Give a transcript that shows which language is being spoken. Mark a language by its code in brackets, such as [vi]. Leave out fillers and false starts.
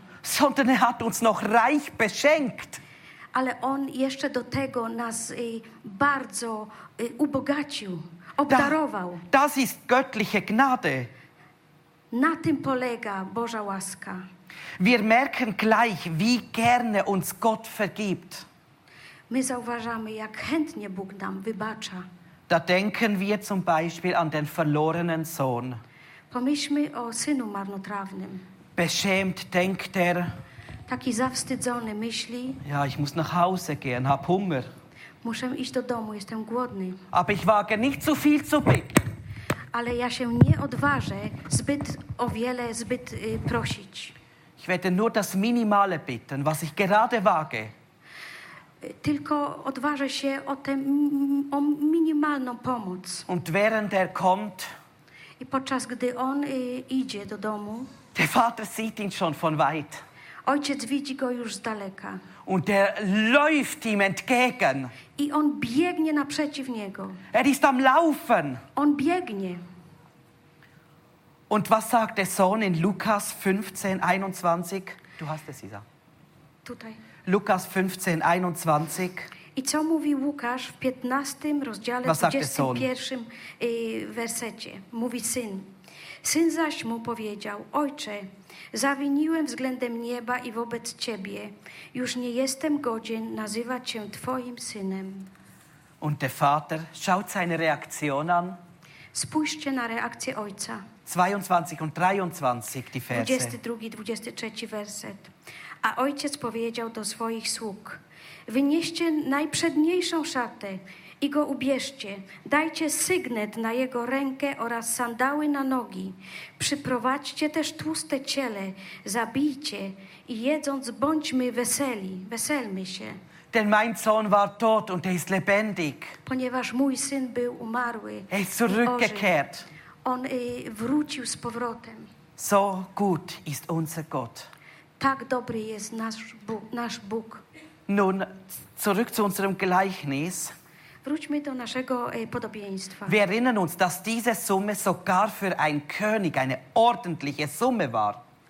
[de] sondern hat uns noch reich beschenkt. [pl] Ale On jeszcze do tego nas bardzo ubogacił, obdarował. [de] Das ist göttliche Gnade. [pl] Na tym polega Boża łaska. [de] Wir merken gleich, wie gerne uns Gott vergibt. [pl] My zauważamy, jak chętnie Bóg nam wybacza. [de] Da denken wir zum Beispiel an den verlorenen Sohn. [pl] Pomyślmy o synu marnotrawnym. [de] Beschämt denkt er. [pl] Taki zawstydzony myśli. [de] Ja, ich muss nach Hause gehen, hab Hunger. [pl] Muszę iść do domu, jestem głodny. [de] Aber ich wage nicht zu viel zu bitten. [pl] Ale ja się nie odważę zbyt o wiele, zbyt prosić. [de] Ich werde nur das Minimale bitten, was ich gerade wage. [pl] Tylko odważę się o tę minimalną pomoc. [de] Und während er kommt, [pl] i podczas gdy on idzie do domu, [de] der Vater sieht ihn schon von weit. [pl] Ojciec widzi go już z daleka. [de] Und er läuft ihm entgegen. [pl] I on biegnie naprzeciw niego. [de] Er ist am Laufen. [pl] On biegnie. [de] Und was sagt der Sohn in Lukas 15, 21? Du hast es, Isa. [pl] Tutaj. [de] Lukas 15, 21. [pl] I co mówi Łukasz w 15 rozdziale, was 21 wersecie? Mówi syn. Syn zaś mu powiedział: Ojcze, zawiniłem względem nieba i wobec ciebie. Już nie jestem godzien nazywać się twoim synem. [de] Und der Vater schaut seine Reaktion an. [pl] Spójrzcie na reakcję ojca. [de] 22 und 23 die Verse. [pl] 22, 23 werset. A ojciec powiedział do swoich sług: Wynieście najprzedniejszą szatę i go ubierzcie. Dajcie sygnet na jego rękę oraz sandały na nogi. Przyprowadźcie też tłuste ciele, zabijcie i jedząc bądźmy weseli. Weselmy się. [de] Denn mein Sohn war tot und er ist lebendig. [pl] Ponieważ mój syn był umarły. [de] Er ist zurückgekehrt. [pl] On wrócił z powrotem. [de] So gut ist unser Gott. [pl] Tak dobry jest nasz Bóg. [de] Nun, zurück zu unserem Gleichnis. [pl] Wróćmy do naszego podobieństwa. [de] Wir erinnern uns, dass diese Summe sogar für ein König eine ordentliche Summe war.